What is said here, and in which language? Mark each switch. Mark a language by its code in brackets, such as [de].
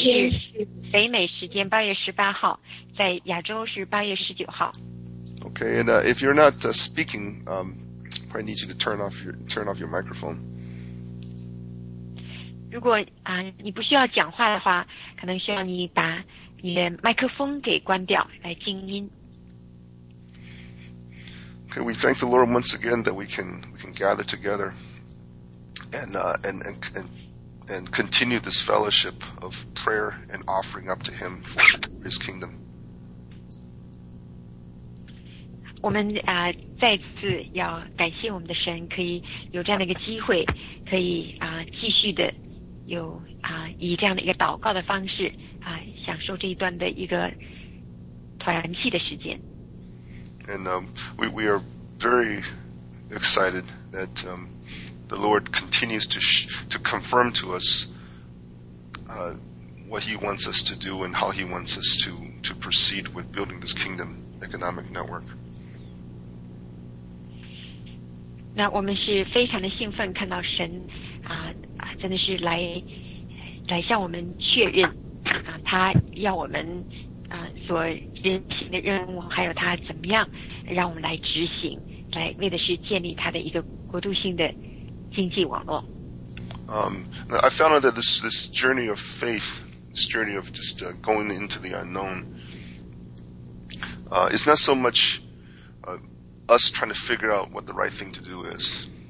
[zh] 今天是北美时间 8月18号, 在亚洲是 8月19号. [en] Okay, and if you're not speaking, probably need you to turn off your microphone. [zh] 如果 你不需要讲话的话, 可能需要你把你的麦克风给关掉, 来静音. [en] Okay, we thank the Lord once again that we can gather together and continue this fellowship of prayer and offering up to Him for His kingdom. [zh] 我们 再次要感谢我们的神 可以有这样的一个机会 可以 继续的有 以这样的一个祷告的方式 享受这一段的一个团契的时间 [en] And we are very excited that the Lord continues to confirm to us what He wants us to do and how He wants us to proceed with building this kingdom economic network. [zh] 那我们是非常的兴奋看到神 真的是来向我们确认 他要我们所执行的任务 还有他怎么样让我们来执行 来为的是建立他的一个国度性的经济网络 [en] I found out that this journey of faith, this journey of just going into the unknown is not so much us trying to figure out what the right thing to do is.